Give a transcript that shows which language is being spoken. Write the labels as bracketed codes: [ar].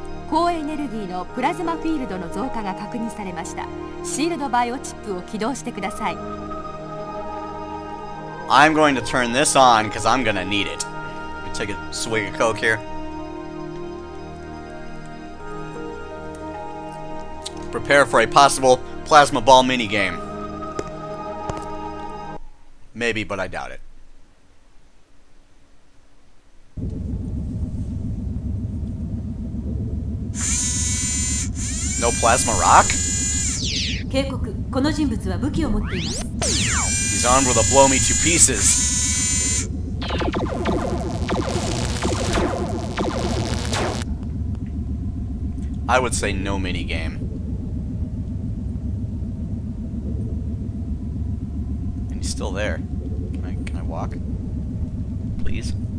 [ja] 高エネルギーのプラズマフィールドの増加が確認されました。シールドバイオチップを起動してください。 [en] I'm going to turn this on because I'm going to need it. Let me take a swig of Coke here. Prepare for a possible plasma ball mini game. Maybe, but I doubt it. No plasma rock? [ja] 警告、この人物は武器を持っています。 [en] He's armed with a blow me to pieces. I would say no mini game. And he's still there. Can I walk? Please?